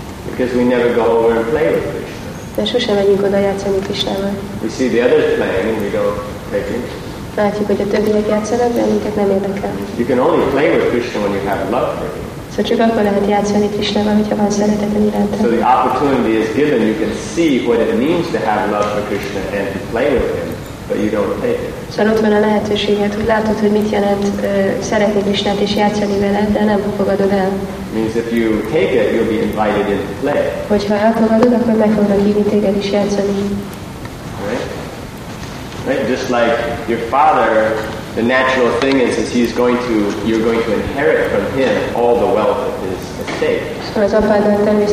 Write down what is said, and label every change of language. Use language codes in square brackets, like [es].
[en] Because we never go over and play with Krishna. [hu] De sosem megyünk oda játszani Krishnával. [en] We see the others playing and we go taking. [hu] Látjuk, hogy a többiek játszanak, de minket nem érdekel. [en] You can only play with Krishna when you have love for him. [hu] Szóval csak akkor lehet játszani Krishnával, hogyha van szereteted iránta. [en] So the opportunity is given, you can see what it means to have love for Krishna and to play with him, but you don't take it. [hu] Szóval ott van a lehetőséget, hogy látod, hogy mit jelent szeretni Krishnát és játszani vele, de nem fogadod el. [en] Means if you take it, you'll be invited into play. [hu] Hogyha elfogadod, akkor meg fognak hívni téged is játszani. [en] Right? Just like your father. The natural thing is you're going to inherit from him all the wealth of his estate.